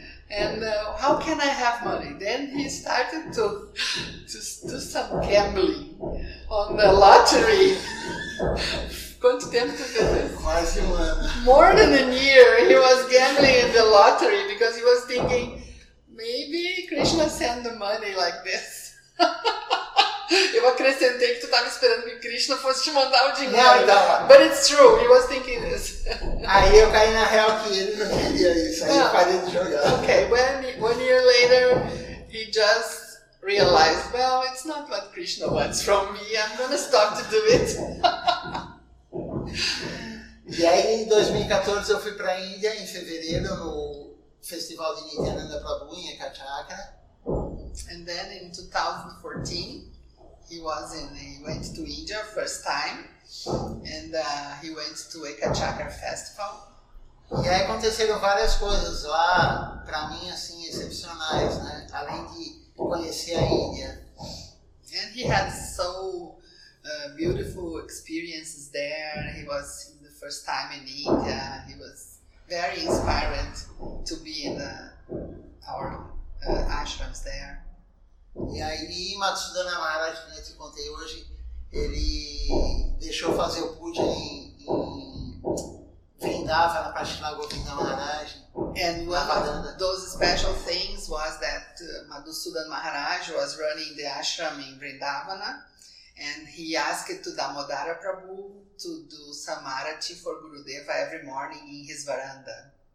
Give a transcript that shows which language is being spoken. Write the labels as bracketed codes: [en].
[en] And how can I have money? Then he started to do some gambling on the lottery. [pt] Quanto tempo tu fez? Quase um ano. [en] More than a year he was gambling in the lottery because he was thinking, maybe Krishna send the money like this. [pt] Eu acrescentei que tu estava esperando que Krishna fosse te mandar o dinheiro. Não, não. [en] But it's true, he was thinking this. [pt] Aí eu caí na real que ele não queria isso, aí eu parei de jogar. [en] Okay, one year later, he just realized, well, it's not what Krishna wants from me, I'm gonna stop to do it. [pt] E aí em 2014 eu fui para a Índia, em fevereiro, no festival de Nityananda Prabhu em Ekachakra. [en] And then in 2014, he went to India first time, and he went to Ekachakra festival. [pt] E aí aconteceram várias coisas lá, para mim assim excepcionais, né? Além de conhecer a Índia. [en] And he had so beautiful experiences there. He was the first time in India. He was very inspired to be in our ashrams there. [pt] E aí, Matsudana Maharaj, que eu te contei hoje, ele deixou fazer o puja em Vrindavan, na parte de Lagoa Vrindavan-Maharaj. [en] And one of those special things was that Madhusudan Maharaj was running the ashram in Vrindavana, and he asked to Damodara Prabhu to do samarati for Gurudeva every morning in his veranda.